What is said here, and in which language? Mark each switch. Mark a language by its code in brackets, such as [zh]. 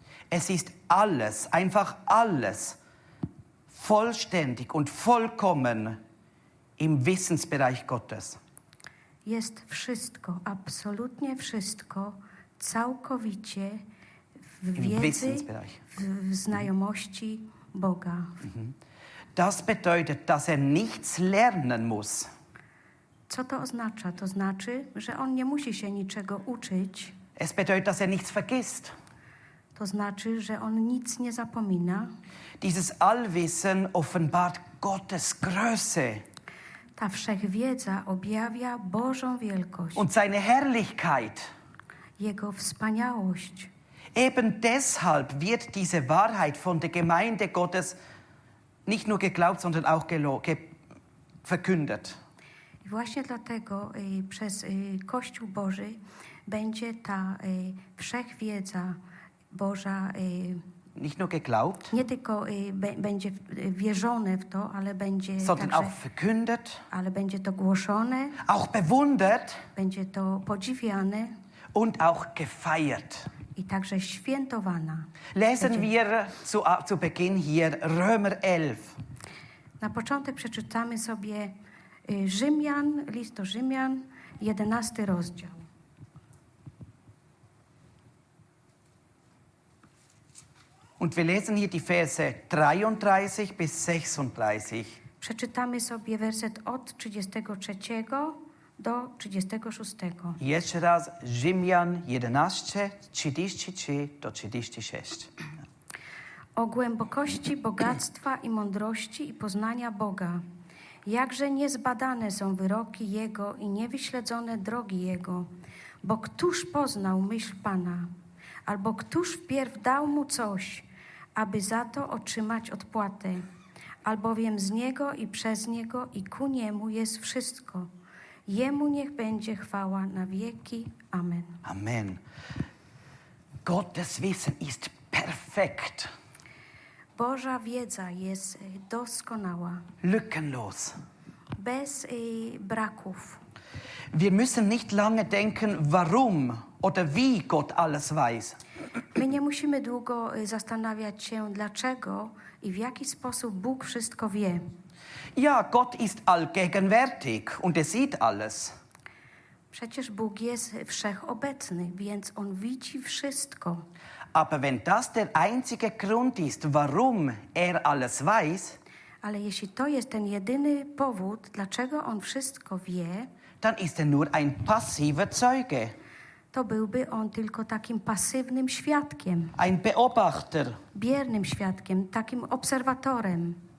[de] Es ist alles, einfach alles, vollständig und vollkommen im Wissensbereich Gottes. [pl] Jest wszystko, absolutnie wszystko, całkowicie w wiedzy, w znajomości Boga. [de] Das bedeutet, dass nichts lernen muss. [pl] Co to oznacza? To znaczy, że on nie musi się niczego uczyć. [de] Es bedeutet, dass nichts vergisst. [pl] To znaczy, że on nic nie zapomina. [de] Dieses Allwissen offenbart Gottes Größe. [pl] Ta wszechwiedza objawia Bożą wielkość. [de] Und seine Herrlichkeit. [pl] Jego wspaniałość. [de] Eben deshalb wird diese Wahrheit von der Gemeinde Gottes nicht nur geglaubt, sondern auch verkündet. [pl] I właśnie dlatego przez Kościół Boży będzie ta wszechwiedza Boża [de] nicht nur geglaubt, [pl] nie tylko będzie wierzone w to, ale będzie [de] sondern [pl] także, [de] auch verkündet, [pl] ale będzie to głoszone, [de] auch bewundert, [pl] będzie to podziwiane [de] und auch gefeiert. [pl] I także świętowana. [de] Lesen wir zu Beginn hier Römer 11. [pl] Na początek przeczytamy sobie Rzymian, list do Rzymian, 11 rozdział. [de] Und wir lesen hier die Verse 33 bis 36. [pl] Przeczytamy sobie werset od 33 do 36. Jeszcze raz Rzymian 11, 33 do 36. O głębokości bogactwa i mądrości i poznania Boga. Jakże niezbadane są wyroki Jego i niewyśledzone drogi Jego. Bo któż poznał myśl Pana? Albo któż wpierw dał Mu coś, aby za to otrzymać odpłatę? Albowiem z Niego i przez Niego i ku Niemu jest wszystko. Jemu niech będzie chwała na wieki. Amen. Amen. [de] Gottes Wissen ist perfekt. [pl] Boża wiedza jest doskonała. [de] Lückenlos. [pl] Bez braków. [de] Wir müssen nicht lange denken, warum oder wie Gott alles weiß. [pl] My nie musimy długo zastanawiać się, dlaczego i w jaki sposób Bóg wszystko wie. [de] Ja, Gott ist allgegenwärtig und sieht alles. [pl] Przecież Bóg jest wszechobecny, więc On widzi wszystko. [de] Aber wenn das der einzige Grund ist, warum alles weiß, [pl] ale jeśli to jest ten jedyny powód, dlaczego On wszystko wie, [de] dann ist nur ein passiver Zeuge. [pl] To byłby on tylko takim pasywnym świadkiem. [de] Ein Beobachter. [pl] Biernym świadkiem, takim obserwatorem.